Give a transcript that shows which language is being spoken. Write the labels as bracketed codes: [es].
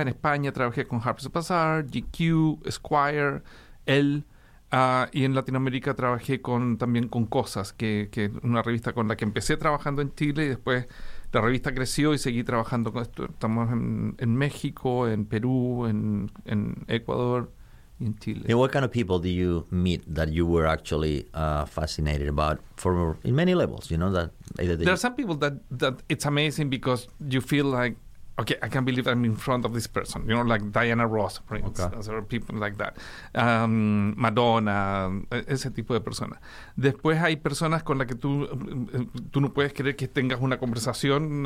[es] En España trabajé con Harper's Bazaar, GQ, Esquire, Elle. Y en Latinoamérica trabajé también con Cosas, que es una revista con la que empecé trabajando en Chile, y después la revista creció y seguí trabajando con esto. Estamos en México, en Perú, en Ecuador. [en] In Chile. And what kind of people do you meet that you were actually fascinated about in many levels? You know, there are some people that it's amazing because you feel like, okay, I can't believe I'm in front of this person. You know, like Diana Ross, for instance, okay, or people like that. [es] Madonna, ese tipo de personas. Después hay personas con las que tú no puedes creer que tengas una conversación.